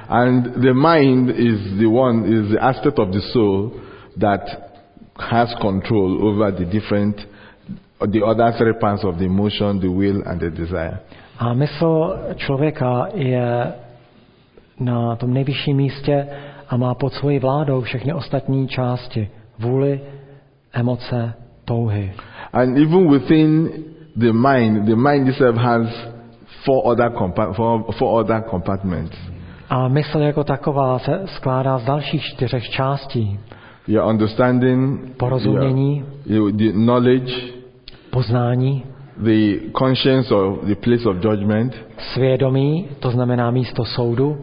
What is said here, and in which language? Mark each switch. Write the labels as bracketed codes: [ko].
[en] And the mind is the one, is the aspect of the soul that has control over the different, the other three parts of the emotion, the will, and the desire. [cs] A mysl člověka je na tom nejvyšším místě a má pod svojí vládou všechny ostatní části: vůli, emoce, touhy. [en] And even within the mind itself has four other compartments. [cs] A mysl jako taková se skládá z dalších čtyřech částí. [en] Your understanding, [cs] porozumění, [en] the knowledge, [cs] poznání, [en] the conscience or the place of judgment, [cs] svědomí, to znamená místo soudu,